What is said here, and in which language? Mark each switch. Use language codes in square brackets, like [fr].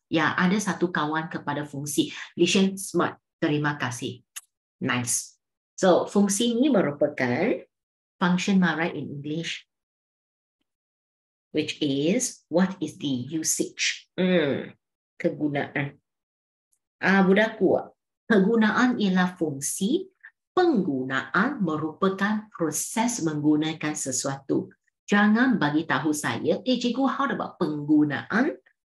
[ms] Ya, ada satu kawan kepada fungsi. [en] Listen, smart. [ms] Terima kasih. Nice. [en] So, [ms] fungsi ini merupakan [en] function right in English. Which is, what is the usage? [ms] Kegunaan. Budakku, kegunaan ialah fungsi. Penggunaan merupakan proses menggunakan sesuatu. Jangan bagi tahu saya, cikgu, [en] how about [ms] penggunaan?